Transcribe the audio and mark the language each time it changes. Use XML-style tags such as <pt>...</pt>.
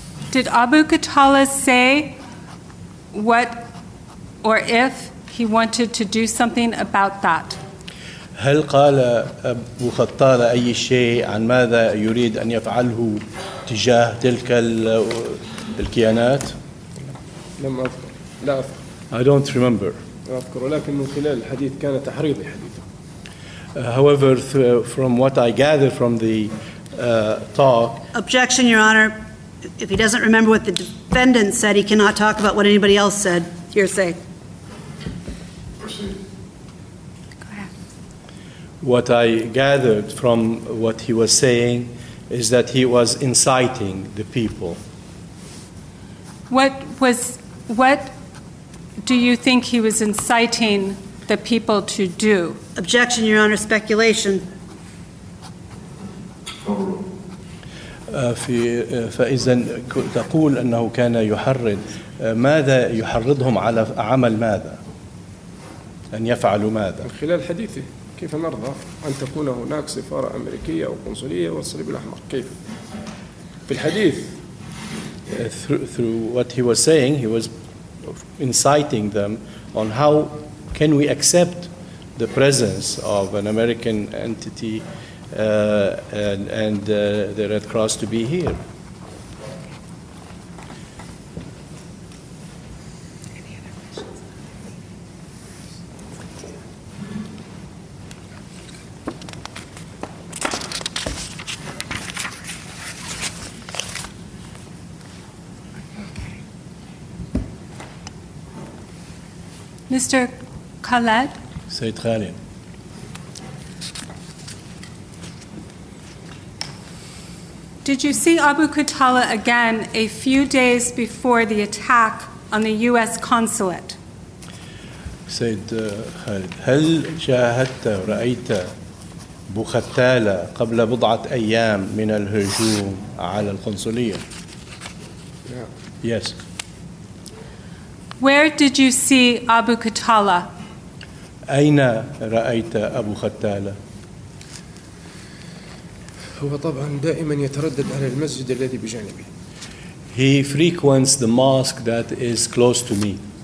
<en>Did Abu Qatala say what or if he wanted to do something about that?</en> <ar>هل قال أبو قتالة أي شيء عن ماذا يريد أن يفعله تجاه تلك الكيانات؟ لم أذكر. لا أذكر.</ar> <en>I don't remember.</en> <ar>لا أذكر. ولكن من خلال الحديث كان تحريضي حديثه.</ar> <en>However, from what I gather from the talk. Objection, Your Honor. If he doesn't remember what the defendant said, he cannot talk about what anybody else said. Hearsay. What I gathered from what he was saying is that he was inciting the people. What do you think he was inciting the people to do? Objection, Your Honor, speculation.</en> <ar>في فإذا تقول أنه كان يحرض ماذا يحرضهم على عمل ماذا أن يفعلوا ماذا من خلال حديثه كيف نرضى أن تكون هناك سفارة أمريكية أو قنصلية والصليب الأحمر كيف في الحديث</ar> <en>through what he was saying he was inciting them on how can we accept the presence of an American entity and the Red Cross to be here. Mr. Khaled. Sayyid Khaled. Did you see Abu Qatala again a few days before the attack on the U.S. consulate?</en> <ar>سيد خالد هل شاهدت رأيت أبو قتالة قبل بضعة أيام من الهجوم على القنصلية؟</ar> <en>Yeah. Yes. Where did you see Abu Qatala?</en> <ar>أين رأيت أبو قتالة؟ هو طبعا دائما يتردد على المسجد الذي بجانبي.</ar> <en>He frequents the mosque that is close to me.</en>